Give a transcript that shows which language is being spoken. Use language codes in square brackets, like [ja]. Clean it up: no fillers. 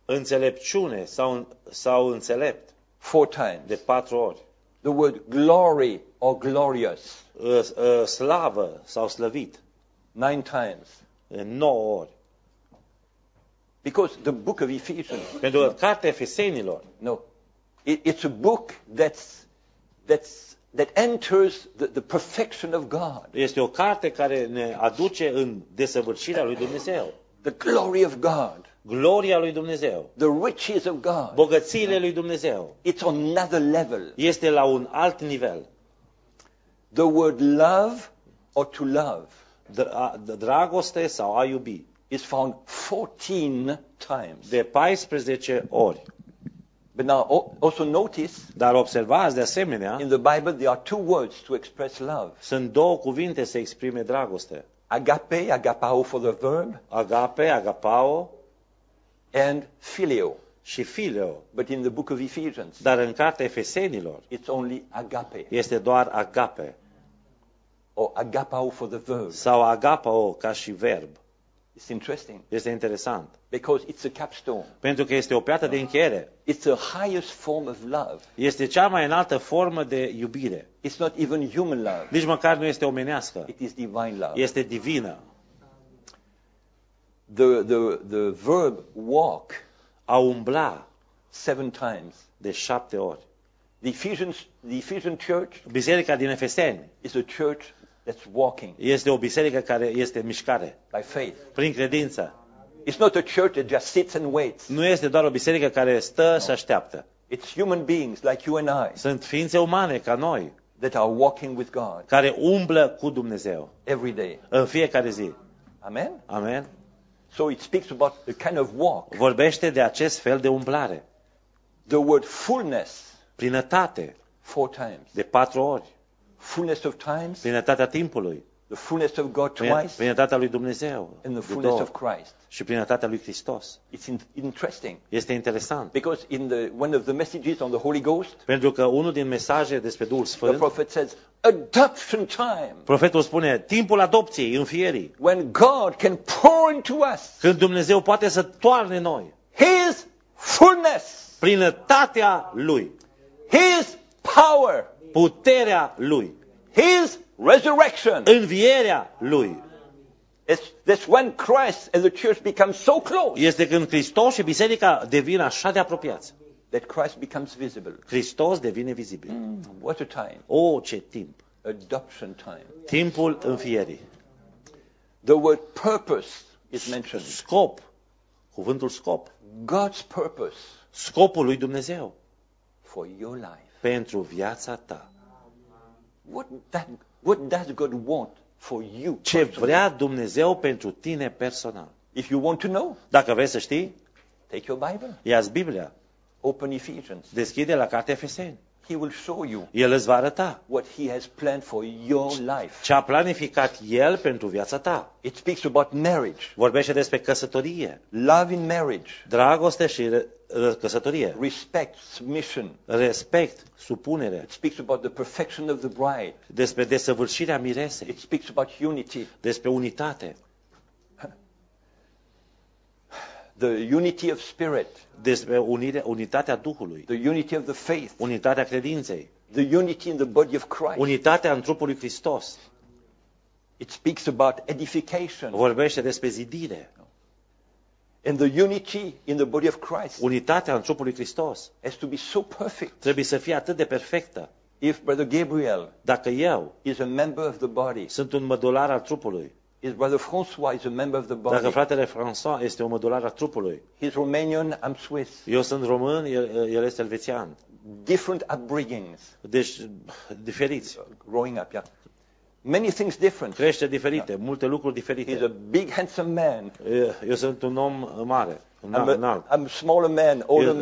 [ro] Înțelepciune sau înțelept. [en] 4 times. [ro] De 4 ori. [en] The word glory or glorious. [ro] Slavă sau slăvit. [en] 9 times. [ro] De 9 ori. [en] Because the book of Ephesians. [ro] Pentru că cartea Efesenilor. [en] No. It's a book that enters the perfection of God. [ro] Este o carte care ne aduce în desăvârșirea lui Dumnezeu. [en] The glory of God. [ro] Gloria lui Dumnezeu. [en] The riches of God. [ro] Bogățiile lui Dumnezeu. [en] It's on another level. [ro] Este la un alt nivel. [en] The word love or to love. [ro] Dragoste sau a iubi. [en] Is found 14 times. [ro] De 14 ori. [en] But now also notice. [ro] Dar observați de asemenea. [en] In the Bible there are two words to express love. [ro] Sunt două cuvinte să exprime dragoste. [en] Agape, agapao for the verb. [ro] Agape, agapao. [en] And filio. [ro] Și filio. [en] But in the book of Ephesians. [ro] Dar în cartea Efesenilor. [en] It's only agape. [ro] Este doar agape. [en] Or agapao for the verb. [ro] Sau agapao ca și verb. [en] It's interesting. [ro] Este interesant. [en] Because it's a capstone. [ro] Pentru că este o piatră de încheiere. [en] It's the highest form of love. [ro] Este cea mai înaltă formă de iubire. [en] It's not even human love. [ro] Nici măcar nu este omenească. [en] It is divine love. [ro] Este divină. [en] The verb walk. [ro] A umbla. [en] 7 times. [ro] De 7 ori. [en] The Ephesian church, [ro] biserica din Efeseni, [en] is a church that's walking. [ro] Este o biserică care este în mișcare. [en] By faith. [ro] Prin credință. [en] It's not a church that just sits and waits. [ro] Nu este doar o biserică care stă și așteaptă. [en] It's human beings like you and I. [ro] Sunt ființe umane ca noi. [en] That are walking with God. [ro] Care umblă cu Dumnezeu. [en] Every day. [ro] În fiecare zi. [en] Amen. [ro] Amen. [en] So it speaks about the kind of walk. [ro] Vorbește de acest fel de umblare. [en] The word fullness. [ro] Plinătate. [en] Four times. [ro] De patru ori. [en] Fullness of times. [ro] Plinătatea timpului. [en] The fullness of God twice. [ro] Plinătatea lui Dumnezeu. [en] And the fullness of Christ. [ro] Și plinătatea lui Hristos. [en] It's interesting. [ro] Este interesant. [en] Because in the one of the messages on the Holy Ghost. [ro] Pentru că unul din mesaje despre Duhul Sfânt. [en] The prophet says adoption time. [ro] Profetul spune timpul adopției, înfierii. [en] When God can pour into us. [ro] Când Dumnezeu poate să toarne noi. [en] His fullness. [ro] Plinătatea lui. [en] His power. [ro] Puterea lui. [en] His resurrection. [ro] Învierea lui. [en] That's when Christ and the church become so close. [ro] Este când Hristos și biserica devin așa de apropiați. [en] That Christ becomes visible. [ro] Hristos devine vizibil. [en] What a time. [ro] Oh, ce timp. [en] Adoption time. [ro] Timpul învierii. [en] The word purpose is mentioned. [ro] Scop. Cuvântul scop. [en] God's purpose. [ro] Scopul lui Dumnezeu. [en] For your life. [ro] Pentru viața ta. [en] What does God want for you? [ro] Ce vrea Dumnezeu pentru tine personal? [en] If you want to know. [ro] Dacă vrei să știi. [en] Take your Bible. [ro] Ia-ți Biblia. [en] Open Ephesians. [ro] Deschide la cartea Efeseni. [en] He will show you. [ro] El îți va arăta. [en] What he has planned for your life. [ro] Ce a planificat el pentru viața ta. [en] It speaks about marriage. [ro] Vorbește despre căsătorie. [en] Love in marriage. [ro] Dragoste și căsătorie. [en] Respect, submission. [ro] Respect, supunere. [en] It speaks about the perfection of the bride. [ro] Despre desăvârșirea miresei. [en] It speaks about unity. [ro] Despre unitate. [en] The unity of spirit. [ro] Despre unitatea Duhului. [en] The unity of the faith. [ro] Unitatea credinței. [en] The unity in the body of Christ. [ro] Unitatea în trupul lui Hristos. [en] It speaks about edification. [ro] Vorbește despre zidire. [en] And the unity in the body of Christ. [ro] Unitatea în trupul lui Hristos. [en] Has to be so perfect. [ro] Trebuie să fie atât de perfectă. [en] If Brother Gabriel. [ro] Dacă eu. [en] Is a member of the body. [ro] Sunt un mădular al trupului. [en] His brother François is a member of the body. [ro] Dacă fratele François este o mădulară a trupului. [en] He's Romanian, I'm Swiss. [ro] Eu sunt român, el este elvețian. [en] Different upbringings. [ro] Deci diferiți. [en] Growing up, yeah. Many things different. [ro] Crește diferite, yeah. Multe lucruri diferite. [en] He's a big handsome man. [ro] Eu sunt un om mare, înalt. [en] I'm a smaller man, older man.